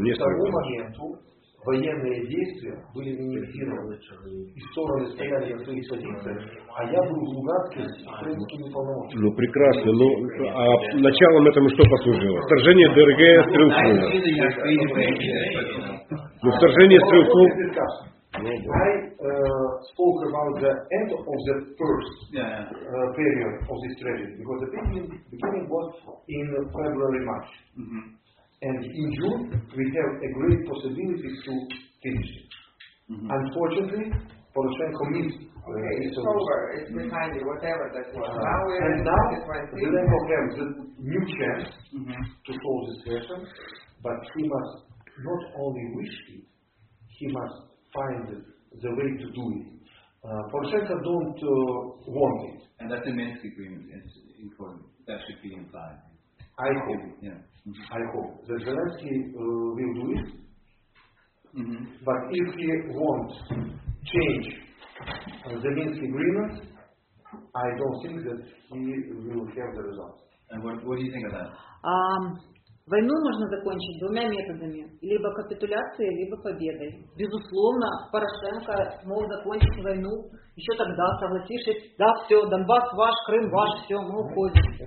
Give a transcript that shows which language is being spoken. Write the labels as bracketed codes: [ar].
[ru] В тот момент военные действия были минимизированы, и стороны стояли на своих позициях, а я был в Луганске с украинскими полномочиями. Ну прекрасно, ну а началом этому что послужило? Вторжение ДРГ Стрелкова. Ну вторжение Стрелкова. [en] I spoke about the end of the first period of this tragedy, because the beginning was in February, March. Mm-hmm. And in June, we have a great possibility to finish it. Mm-hmm. Unfortunately, Poroshenko missed. Okay, it's over, it's behind you, whatever that was. And now, Zelenko has a new chance to solve this question, but he must not only wish it, he must find the way to do it. Poroshenko don't want it. And that's a Minsk agreement, it's important. That should be implied. I hope. I hope that Zelensky will do it. Mm-hmm. But if he won't change the Minsk agreement, I don't think that he will have the results. And what do you think of that? [ru] Войну можно закончить двумя методами. Либо капитуляцией, либо победой. Безусловно, Порошенко мог закончить войну еще тогда, согласившись. Да, все, Донбасс ваш, Крым ваш, все, мы уходим.